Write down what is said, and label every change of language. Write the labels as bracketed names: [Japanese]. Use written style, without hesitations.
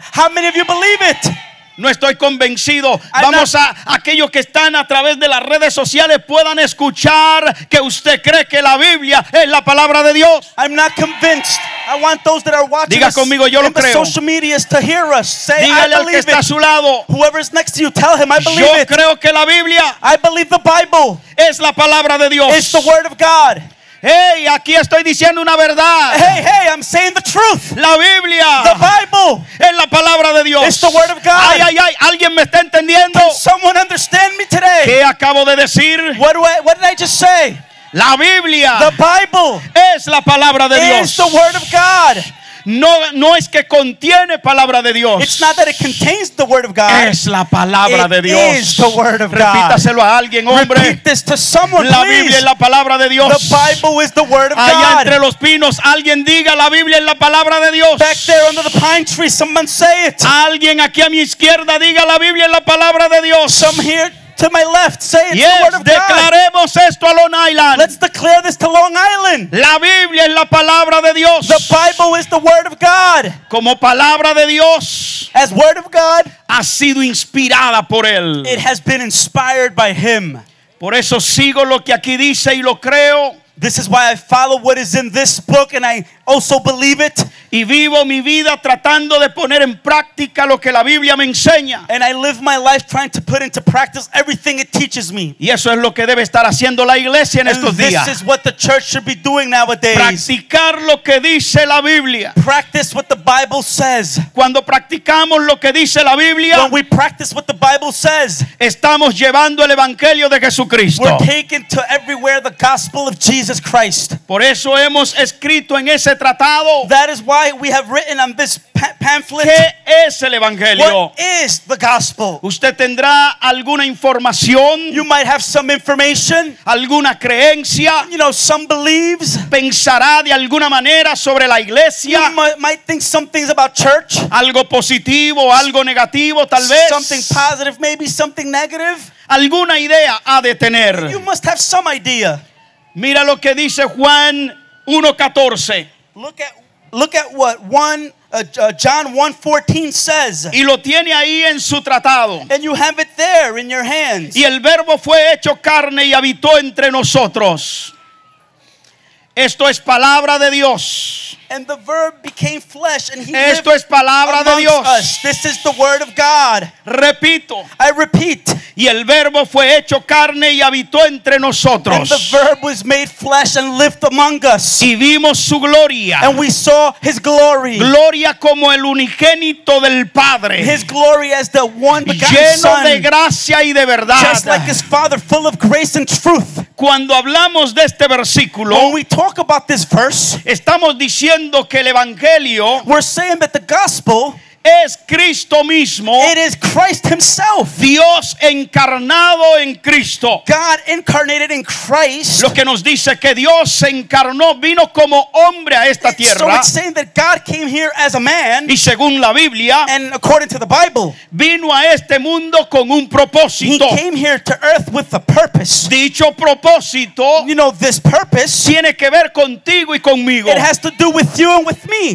[English] How many of you believe it? [Spanish] No estoy convencido. Vamos a aquellos que están a través de las redes sociales puedan escuchar que usted cree que la Biblia es la palabra de Dios. [English] I'm not convinced. I want those that are watching. [Spanish] Diga conmigo, yo lo creo. [English] In the social media to hear us. Say, [Spanish] dígale al que está a su lado. [English] Whoever is next to you, tell him, I believe it. [Spanish] Yo creo que la Biblia. [English] I believe the Bible. [Spanish] Es la palabra de Dios. [English] It's the word of God. [Spanish] Hey, aquí estoy diciendo una verdad. [English] Hey, hey, I'm saying the truth. [Spanish] La Biblia. [English] The Bible. [Spanish] Es la palabra de Dios. [English] It's the word of God. [Spanish] Ay, ay, ay, ¿alguien me está entendiendo? [English] Can someone understand me today? [Spanish] ¿Qué acabo de decir? [English] What did I just say? [Spanish] La Biblia. [English] The Bible. [Spanish] Es la palabra de Dios. [English] It's the word of God. [Spanish] No es que contiene palabra de Dios. [English] It's not that it contains the word of God. [Spanish] Es la palabra [English] it [Spanish] de Dios. [English] It is the word of [Spanish] Repítaselo [English] God. [Spanish] Repítaselo a alguien, hombre. [English] Repeat this to someone, [Spanish] la Biblia [English] please. [Spanish] Es la palabra de Dios. [English] The Bible is the word of [Spanish] Allá Allá entre los pinos, alguien diga la Biblia es la palabra de Dios. [English] Back there under the pine tree, someone say it. [Spanish] Alguien aquí a mi izquierda diga la Biblia es la palabra de Dios. [English] Some here to my left say it's yes, the word of God. [Spanish] Declaremos esto a Long Island. [English] Let's declare this to Long Island. [Spanish] La Biblia es la palabra de Dios. [English] The Bible is the word of God. [Spanish] Como palabra de Dios. [English] As word of God. [Spanish] Ha sido inspirada por él. [English] It has been inspired by him. [Spanish] Por eso sigo lo que aquí dice y lo creo. [English] This is why I follow what is in this book and I also believe it. [Spanish] Y vivo mi vida tratando de poner en práctica lo que la Biblia me enseña. [English] And I live my life trying to put into practice everything it teaches me. [Spanish] Y eso es lo que debe estar haciendo la iglesia en [English] and [Spanish] estos [English] this [Spanish] días. [English] This is what the church should be doing nowadays. [Spanish] Practicar lo que dice la Biblia. [English] Practice what the Bible says. [Spanish] Cuando practicamos lo que dice la Biblia, [English] when we practice what the Bible says, [Spanish] estamos llevando el evangelio de Jesucristo. [English] We're taking to everywhere the gospel of Jesus Christ. [Spanish] Por eso hemos escrito en ese tratado. [English] That is why we have written on this pamphlet. [Spanish] ¿Qué es el evangelio? [English] What is the gospel? [Spanish] ¿Usted tendrá alguna información? [English] You might have some information. [Spanish] ¿Alguna creencia? [English] You know, some beliefs. [Spanish] ¿Pensará de alguna manera sobre la iglesia? [English] You might think some things about church. [Spanish] ¿Algo positivo, algo negativo, tal vez? [English] Something positive, maybe something negative. [Spanish] ¿Alguna idea ha de tener? [English] You must have some idea. [Spanish] Mira lo que dice Juan 1:14. [English] Look at what John 1:14 says. [Spanish] Y lo tiene ahí en su tratado. [English] And you have it there in your hands. [Spanish] Y el verbo fue hecho carne y habitó entre nosotros. Esto es palabra de Dios. [English] And the verb became flesh and he lived. [Spanish] Esto es palabra de Dios. [English] Us. This is the word of God. [Spanish] Repito. [English] I repeat. [Spanish] Y el verbo fue hecho carne y habitó entre nosotros. [English] And the verb was made flesh and lived among us. [Spanish] Y vimos su gloria. [English] And we saw his glory. [Spanish] Gloria como el unigénito del Padre. [English] His glory as the one begotten [Spanish] lleno [English] son. [Spanish] Lleno de gracia y de verdad. [English] Just like his father, full of grace and truth. [Spanish] Cuando hablamos de este versículo, [English] when we talk about this verse, [Spanish] estamos diciendo que el evangelio, [English] we're saying that the gospel, [Spanish] es Cristo mismo. [English] It is Christ himself. [Spanish] Dios encarnado en Cristo. [English] God incarnated in Christ. [Spanish] Lo que nos dice que Dios se encarnó, vino como hombre a esta tierra. [English] So it's saying that God came here as a man. [Spanish] Y según la Biblia, [English] and according to the Bible, [Spanish] vino a este mundo con un propósito. [English] He came here to earth with a purpose. [Spanish] Dicho propósito, [English] you know, this purpose, [Spanish] tiene que ver contigo y conmigo. [English] It has to do with you and with me.